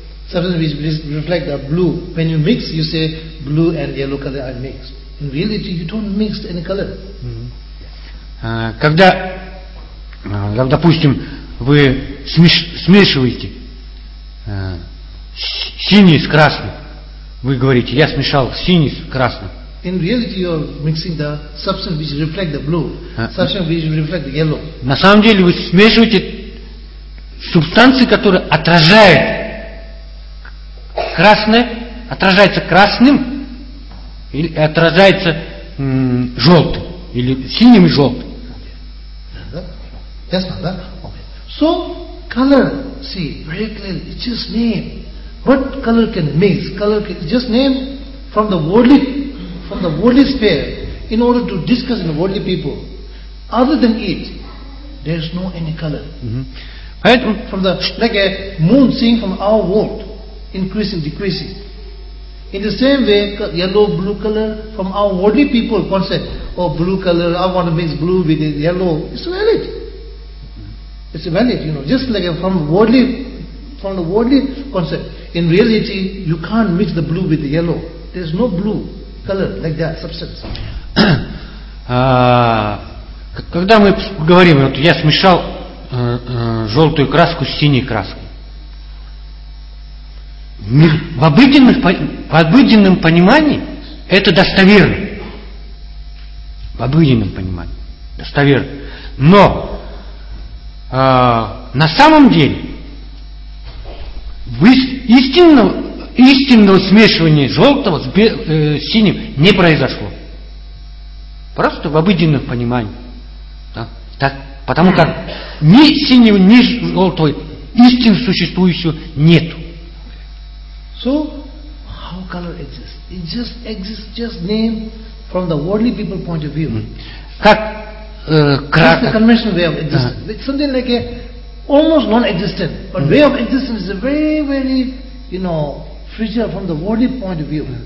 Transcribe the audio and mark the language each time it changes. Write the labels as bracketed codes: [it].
[en] substance which reflect the blue. When you mix, you say blue and yellow color are mixed. In reality, you don't mix any color. Mm-hmm. [ru] Когда, допустим, вы смешиваете синий с красным, вы говорите, я смешал синий с красным. [en] In reality, you're mixing the substance which reflect the blue, substance which reflect the yellow. [ru] На самом деле вы смешиваете субстанции, которые отражают красное, отражается красным или отражается желтым или синим и желтым. [en] That's not that. Okay. So color, see very clearly, it's just name. What color can mix? Color can just name from the worldly sphere. In order to discuss in worldly people, other than it, there is no any color. Mm-hmm. From the like a moon seeing from our world, increasing, decreasing. In the same way, yellow, blue color from our worldly people concept. Oh, blue color, I want to mix blue with it, yellow. It's valid. It's valid, you know, just like from the worldly concept. In reality, you can't mix the blue with the yellow. There's no blue color like that substance. [ru] Когда мы говорим, вот я смешал желтую краску с синей краской, в обыденном понимании это достоверно. В обыденном понимании. Достоверно. Но на самом деле истинного смешивания желтого с синим не произошло. Просто в обыденном понимании. Да? Так, потому как ни синего, ни желтого истин существующего нет. [en] So, how color exists? It just exists, just name from the worldly people point of view. [ru] Как [en] that's the conventional way of existence. Uh-huh. It's something like a almost non-existent, but way of existence is a very, very, you know, frigid from the worldly point of view.